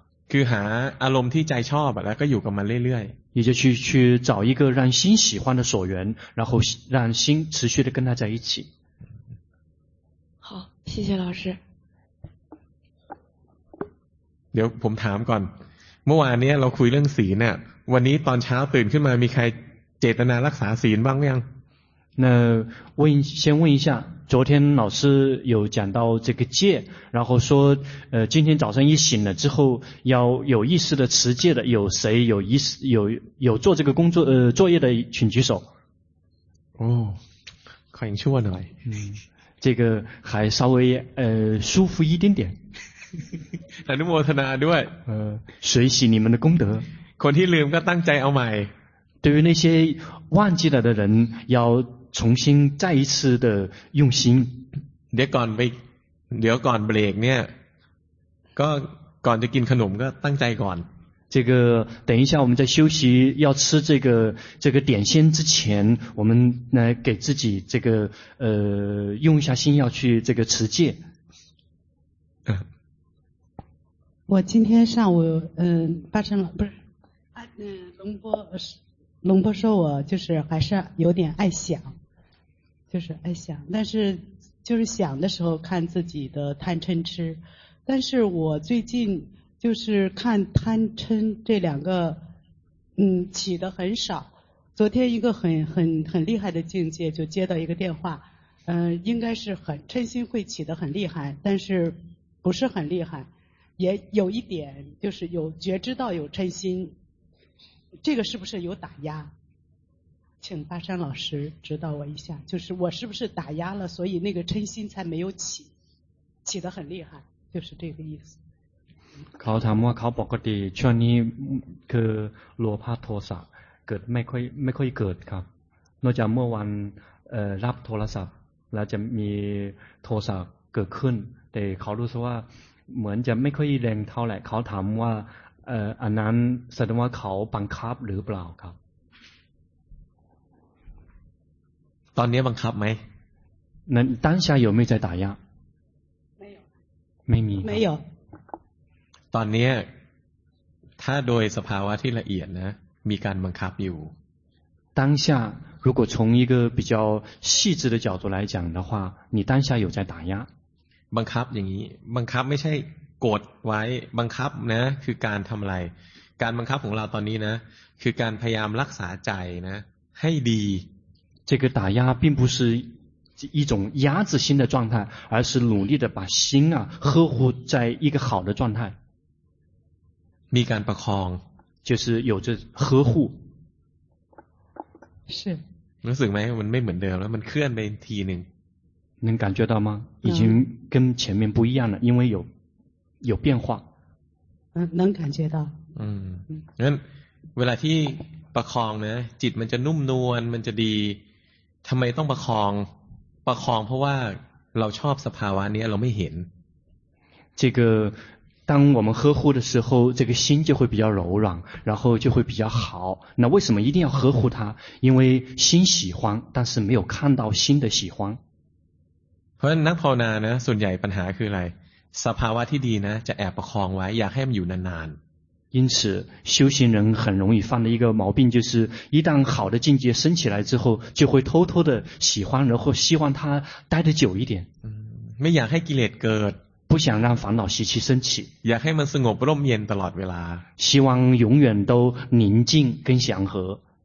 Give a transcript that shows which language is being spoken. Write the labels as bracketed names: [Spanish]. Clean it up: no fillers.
[Thai] คือหาอารมณ์ที่ใจชอบแล้วก็อยู่กับมันเรื่อย [Chinese] ๆ也就去找一个让心喜欢的所缘然后让心持续的跟他在一起好谢谢老师 [Thai] เดี๋ยวผมถามก่อนเมื่อวานเนี้ยเราคุยเรื่องศีลเนี่ยวันนี้ตอนเช้าตื่นขึ้นมามีใครเจตนารักษาศีลบ้างหรือยัง [Chinese] 那先问一下昨天老师有讲到这个戒然后说今天早上一醒了之后要有意识的持戒的有谁有意识有做这个工作作业的请举手哦可以去问了这个还稍微舒服一点点还能摸他呢对随喜你们的功德 [Thai] คนที่ลืมก็ตั้งใจเอาใหม่ [Chinese] 对于那些忘记了的人要重新再一次的用心 [Thai] เดี๋ยวก่อนไปเดี๋ยวก่อนเบรกเนี่ยก็ก่อนจะกินขนมก็ตั้งใจก่อน [Chinese] 这个等一下我们在休息要吃这个点心之前我们来给自己这个用一下心要去这个持戒我今天上午八成不是龙波龙波说我就是还是有点爱想就是爱想但是就是想的时候看自己的贪嗔痴但是我最近就是看贪嗔这两个起得很少昨天一个很厉害的境界，就接到一个电话，应该是很嗔心会起的很厉害，但是不是很厉害，也有一点就是有觉知到有嗔心，这个是不是有打压？请巴山老师指导我一下，就是我是不是打压了，所以那个嗔心才没有起，起得很厉害，就是这个意思。 [Thai] เขาถามว่าเขาปกติช่วงนี้คือโลภะโทสะเกิดไม่ค่อยเกิดครับนอกจากเมื่อวันรับโทรศัพท์แล้วจะมีโทสะเกิดขึ้นแต่เขารู้สึกว่าเหมือนจะไม่ค่อยแรงเท่าไหร่เขาถามว่าอันนั้นแสดงว่าเขาบังคับหรือเปล่าครับ ตอนนี้บังคับไหม นั้นตั้งใจอยู่ไม่ใจตายะไม่มี ไม่มี ตอนนี้ถ้าโดยสภาวะที่ละเอียดนะมีการบังคับอยู่ [Chinese] 当下如果从一个比较细致的角度来讲的话你当下有在打压 [Thai] บังคับอย่างนี้บังคับไม่ใช่กดไว้บังคับนะคือการทำอะไรการบังคับของเราตอนนี้นะคือการพยายามรักษาใจนะให้ดี [Chinese] 这个打压并不是一种压制心的状态而是努力的把心啊呵护在一个好的状态 [Thai] มีการประคอง [Chinese] 就是有着呵护是 [Thai] รู้สึกไหมมันไม่เหมือนเดิมแล้วมันเคลื่อนไปทีหนึ่ง [Chinese] 能感觉到吗已经跟前面不一样了因为有变化能感觉到 [Thai] งั้นเวลาที่ประคองนะจิตมันจะนุ่มนวลมันจะดีทำไมต้องประคองประคองเพราะว่าเราชอบสภาวะนี้เราไม่เห็น [Chinese] 这个当我们呵护的时候这个心就会比较柔软然后就会比较好那为什么一定要呵护它因为心喜欢但是没有看到心的喜欢 [Thai] เพราะนักภาวนานะส่วนใหญ่ปัญหาคืออะไรสภาวะที่ดีนะจะแอบประคองไว้อยากให้มันอยู่นาน [Chinese] ๆ因此修行人很容易犯的一个毛病就是一旦好的境界升起来之后就会偷偷的喜欢然后希望它待得久一点 [Thai] ไม่อยากให้กิเลสเกิด [Chinese] 不想让烦恼习气升起 [Thai] อยากให้มันสงบร่มเย็นตลอดเวลา [Chinese] 希望永远都宁静跟祥和